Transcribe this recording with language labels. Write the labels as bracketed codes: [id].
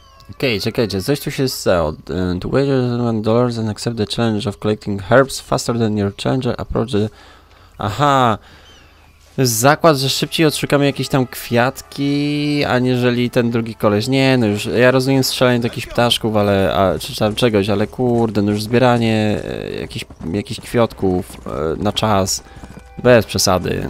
[pl] Okej, czekajcie, coś tu się stało. [en] To wager $1 and accept the challenge of collecting herbs faster than your challenger approaches. Aha! [pl] Zakład, że szybciej odszukamy jakieś tam kwiatki, aniżeli ten drugi koleś. Nie, no już, ja rozumiem strzelanie do jakichś ptaszków, ale, czy tam czegoś, ale kurde, no już zbieranie jakichś kwiatków na czas, bez przesady.